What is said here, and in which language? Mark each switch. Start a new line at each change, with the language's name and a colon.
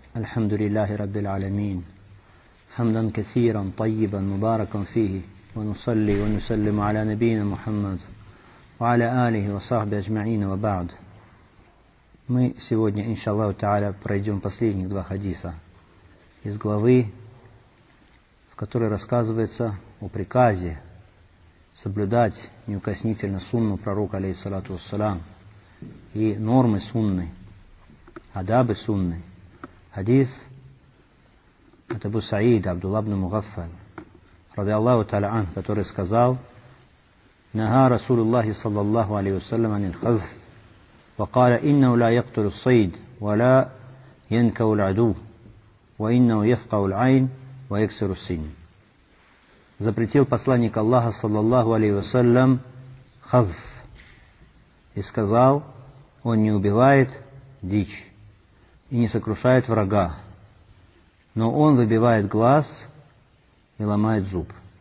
Arabic: الحمد لله رب العالمين، حمدا كثيرا طيبا مباركا فيه، ونصلي ونسلم على نبينا محمد وعلى آله وصحبه أجمعين، وبعد.
Russian: Мы сегодня, иншаллаху тааля, пройдем последних два хадиса из главы, в которой рассказывается о приказе соблюдать неукоснительно сунну пророка, алейхиссалату вассалям, и нормы сунны, адабы сунны. Хадис от Абу Саида, Абдулла ибн Мугаффаль, ради Аллаху тааля анх, который сказал:
Arabic: «Наха Расулуллахи саллаллаху алейхи вассалям анил хазф». وقال إنه لا يقتل الصيد ولا ينكو العدو وإنه يفقع العين ويكسر السن.
Russian: Запретил посланник Аллаха саллаллаху алейхи ва саллям хазф и сказал: он не убивает дичь и не сокрушает врага, но он выбивает глаз и ломает зуб.